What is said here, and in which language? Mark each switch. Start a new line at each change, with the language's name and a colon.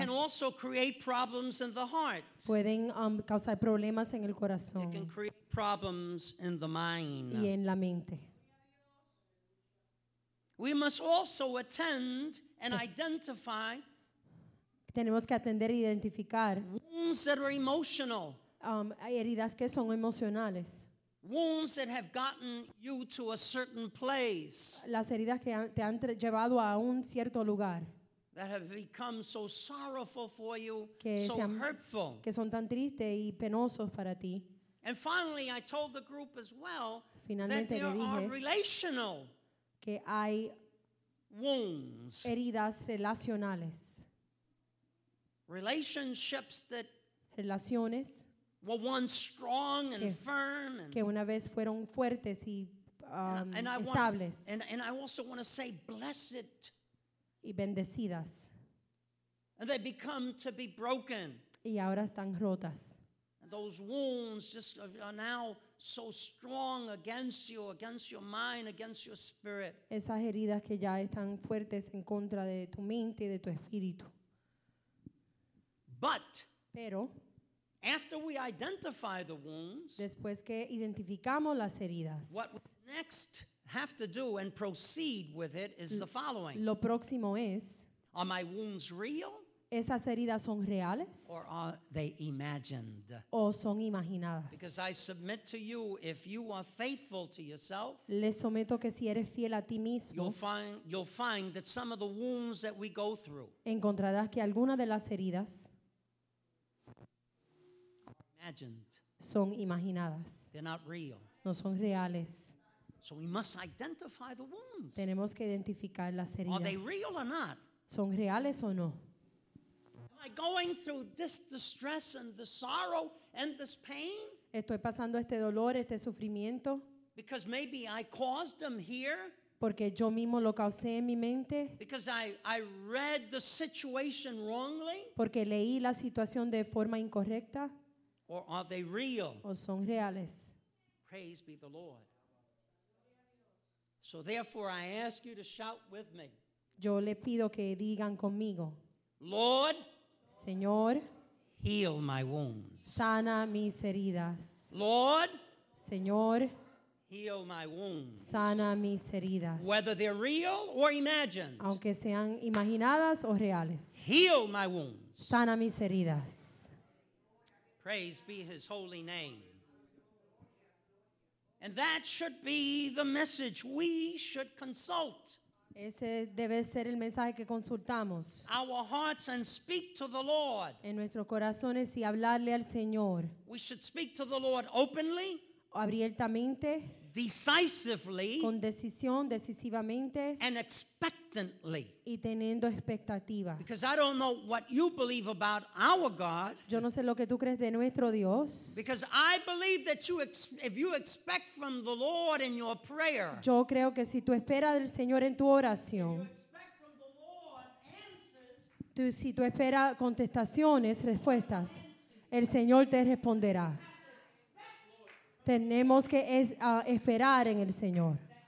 English: can also create problems in the heart.
Spanish: Pueden causar problemas en el corazón.
English: It can create problems in the mind.
Spanish: Y en la mente.
English: We must also attend and identify.
Spanish: Tenemos que atender e identificar
English: wounds that are emotional.
Spanish: Heridas que son emocionales.
English: Wounds that have gotten you to a certain place.
Spanish: Las heridas que te han llevado a un cierto lugar.
English: That have become so sorrowful for you, so hurtful.
Spanish: Que son tan tristes y penosos para ti.
English: And finally, I told the group as well
Spanish: finalmente
English: that there are relational
Spanish: que hay
English: wounds.
Spanish: Heridas relacionales.
English: Relationships that
Spanish: relaciones
English: were once strong and firm, and
Spanish: que una vez fueron fuertes y estables.
English: And I also want to say blessed
Spanish: y bendecidas.
English: And they become to be broken.
Spanish: Y ahora están rotas.
English: And those wounds just are now so strong against your mind, against your spirit.
Spanish: Esas heridas que ya están fuertes en contra de tu mente y de tu espíritu.
English: But
Spanish: pero,
English: after we identify the wounds,
Spanish: después que identificamos las heridas,
English: what we next have to do and proceed with it is the following.
Spanish: Lo próximo es,
English: are my wounds real?
Spanish: Esas heridas son reales?
English: Or are they imagined?
Spanish: O son imaginadas?
English: Because I submit to you, if you are faithful to yourself,
Spanish: le someto que si eres fiel a ti mismo,
English: you'll find that some of the wounds that we go through,
Spanish: encontrarás que algunas de las heridas
English: imagined.
Spanish: Son imaginadas.
English: They're not real.
Spanish: No son reales.
English: So we must identify the wounds.
Spanish: Tenemos que identificar las heridas.
English: Are they real or not?
Spanish: Son reales o no?
English: Am I going through this distress and this sorrow and this pain?
Spanish: Estoy pasando este dolor, este sufrimiento.
English: Because maybe I caused them here.
Spanish: Porque yo mismo lo causé en mi mente.
English: Because I read the situation wrongly.
Spanish: Porque leí la situación de forma incorrecta.
English: Or are they real?
Spanish: O son reales.
English: Praise be the Lord. So therefore I ask you to shout with me.
Spanish: Yo le pido que digan conmigo.
English: Lord,
Spanish: Señor,
English: heal my wounds.
Spanish: Sana mis heridas.
English: Lord,
Spanish: Señor,
English: heal my wounds.
Spanish: Sana mis heridas.
English: Whether they're real or imagined.
Spanish: Aunque sean imaginadas o reales.
English: Heal my wounds.
Spanish: Sana mis heridas.
English: Praise be his holy name. And that should be the message we should consult.
Spanish: Ese debe ser el mensaje que consultamos.
English: Our hearts and speak to the Lord.
Spanish: En nuestros corazones y hablarle al Señor.
English: We should speak to the Lord openly.
Spanish: Abiertamente.
English: Decisively.
Spanish: Con decisión, decisivamente.
English: And expectantly.
Spanish: Y teniendo expectativa.
English: Because I don't know what you believe about our God.
Spanish: Yo no sé lo que tú crees de nuestro Dios.
English: Because I believe that you if you expect from the Lord in your prayer.
Spanish: Yo creo que si tú esperas del Señor en tu oración. Si tú esperas contestaciones, respuestas, el Señor te responderá. Tenemos que esperar en el Señor.